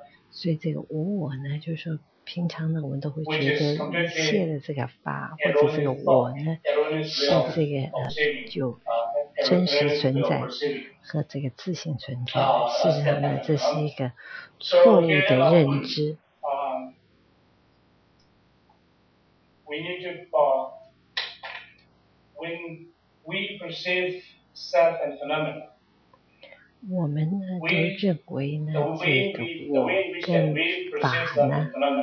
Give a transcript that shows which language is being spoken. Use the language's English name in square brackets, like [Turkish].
[Chinese] 所以这个无我呢，就是说平常呢，我们都会觉得一切的这个法或者这个我呢，是这个就真实存在和这个自性存在。事实上呢，这是一个错误的认知。 [English] We need to, when we perceive self and phenomena, [Chinese] 我们呢都认为呢这个我跟法呢，